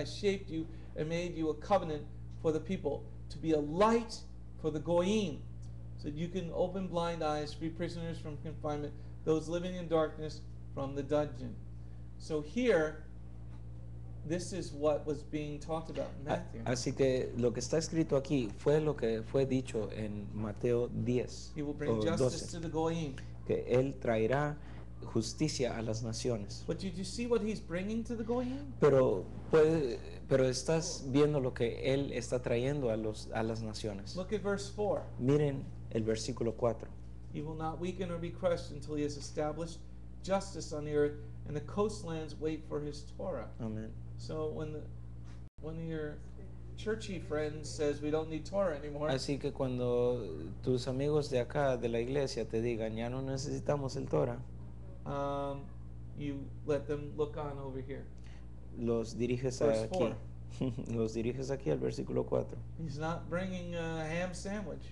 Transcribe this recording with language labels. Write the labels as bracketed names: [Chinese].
[English] I shaped you and made you a covenant for the people to be a light for the goyim, so that you can open blind eyes, free prisoners from confinement, those living in darkness from the dungeon. So here, this is what was being talked about in Matthew. [Spanish] Así que lo que está escrito aquí fue lo que fue dicho en Mateo 10. [English] He will bring justice to the goyim. [Spanish] Que él traerá justicia a las naciones. [English] But did you see what he's bringing to the goyim? [Spanish] Pero estás viendo lo que él está trayendo a las naciones. [English] Look at verse 4. [Spanish] Miren el versículo 4. [English] He will not weaken or be crushed until he has established justice on the earth, and the coastlands wait for his Torah. Amen. So when your churchy friend says we don't need Torah anymore. [Spanish] Así que cuando tus amigos de acá de la iglesia te digan ya no necesitamos el Torah. [English] You let them look on over here. [Spanish] Los diriges [English] verse [Spanish] aquí. [English] Four. [Spanish] Los diriges aquí al versículo 4. [English] He's not bringing a ham sandwich.